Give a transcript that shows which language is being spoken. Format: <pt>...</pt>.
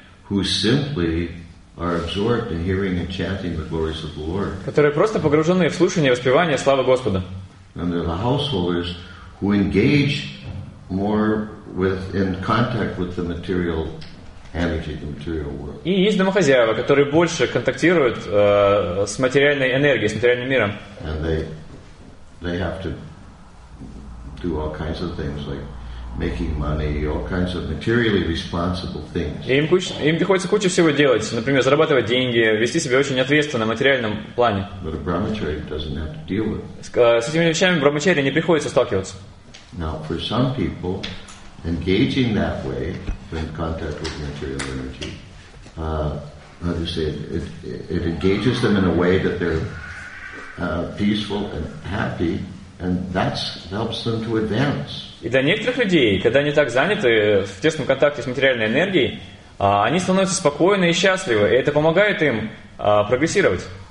<en>who simply are absorbed in hearing and chanting the glories of the Lord.</en> <ru>Которые просто погружены в слушание и воспевание славы Господа.</ru> <en>And they're the householders who engage more with in contact with the material energy, the material world.</en> <ru>И есть домохозяева, которые больше контактируют с материальной энергией, с материальным миром.</ru> <en>And they have to do all kinds of things like making money, all kinds of materially responsible things.</en> <ru>Им приходится кучу всего делать, например, зарабатывать деньги, вести себя очень ответственно в материальном плане.</ru> <en>But a brahmachari doesn't have to deal with.</en> <ru>С этими вещами брахмачари не приходится сталкиваться.</ru> <en>Now, for some people, engaging that way in contact with material energy, how do you say it? It engages them in a way that they're peaceful and happy. And that helps them to advance.</en> <ru>И для некоторых людей, когда они так заняты в тесном контакте с материальной энергией, они становятся спокойны и счастливы, и это помогает им прогрессировать.</ru>